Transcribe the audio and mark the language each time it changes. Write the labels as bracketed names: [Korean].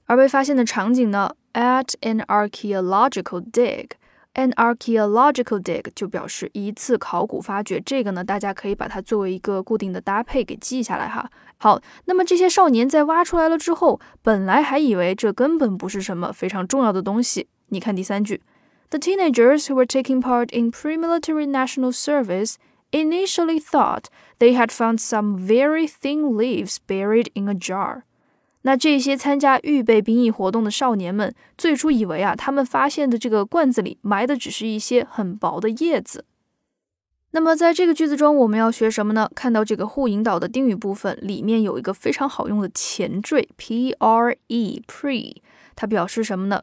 [Chinese] 而被发现的场景呢， [English] at an archaeological digAn archaeological dig [Chinese] 就表示一次考古发掘，这个呢大家可以把它作为一个固定的搭配给记下来哈。好，那么这些少年在挖出来了之后，本来还以为这根本不是什么非常重要的东西。你看第三句， [English] The teenagers who were taking part in pre-military national service initially thought they had found some very thin leaves buried in a jar。 [Chinese] 那这些参加预备兵役活动的少年们最初以为啊，他们发现的这个罐子里埋的只是一些很薄的叶子。那么在这个句子中我们要学什么呢？看到这个互引导的定语部分里面有一个非常好用的前缀 PRE, pre, 它表示什么呢？